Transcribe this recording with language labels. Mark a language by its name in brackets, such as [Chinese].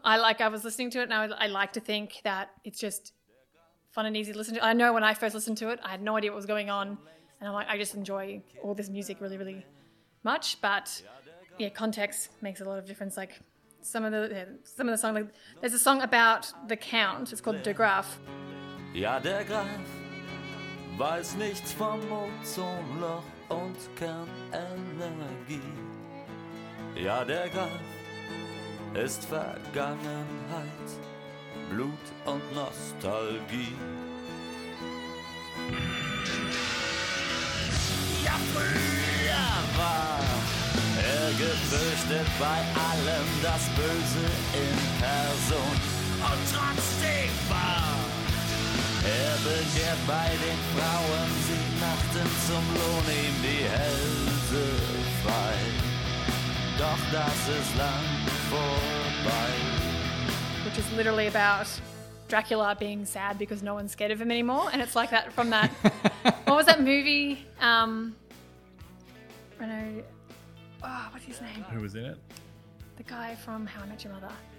[English] I was listening to it and I like to think that it's just fun and easy to listen to. I know when I first listened to it, I had no idea what was going on. And I'm like, I just enjoy all this music really, really much. But yeah, context makes a lot of difference. Like some of the songs, like, there's a song about the Count. It's called Der Graf. [German] Ja, der Graf weiß nichts vom Ozonloch und kann Energie. Ja, der Graf ist Vergangenheit. Blut und Nostalgie. Ja, früher war er gefürchtet bei allem das Böse in Person. Und trotzdem war er begehrt bei den Frauen. Sie machten zum Lohn ihm die Hälse frei. Doch das ist lang vorbei. [English] Which is literally about Dracula being sad because no one's scared of him anymore. And it's like that from that. What was that movie? What's his name? Who was in it? The guy from How I Met Your Mother.